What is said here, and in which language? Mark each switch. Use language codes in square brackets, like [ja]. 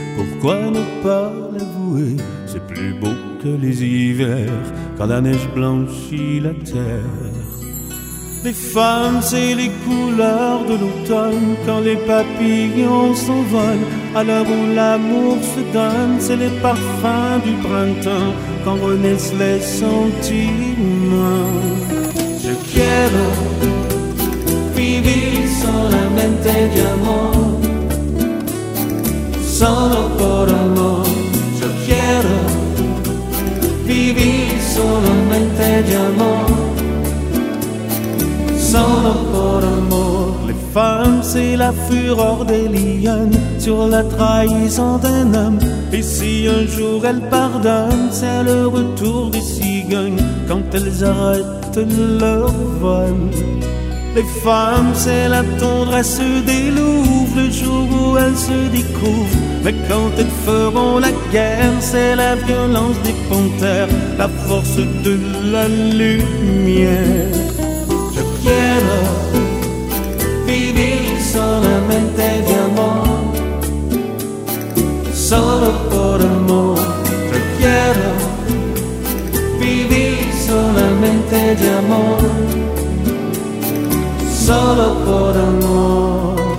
[fr] Pourquoi ne pas l'avouer? C'est plus beau que les hivers quand la neige blanchit la terre. Les femmes, c'est les couleurs de l'automne quand les papillons s'envolent. À l'heure où l'amour se donne, c'est les parfums du printemps quand renaissent les sentiments. [es] Je quiero vivir solamente de amor, solo por amor. Yo quiero vivir solamente de amor, solo por amor. [fr] Les femmes, c'est la fureur des lionnes sur la trahison d'un homme. Et si un jour elles pardonnent, c'est le retour des cigognes quand elles arrêtent leur vol. Les femmes, c'est la tendresse des louves le jour où elles se découvrent. Mais quand elles feront la guerre, c'est la violence des panthères, la force de la lumière. [es] Je quiero vivir solamente de amor, solo por amor. Je quiero vivir solamente de amor, solo por amor.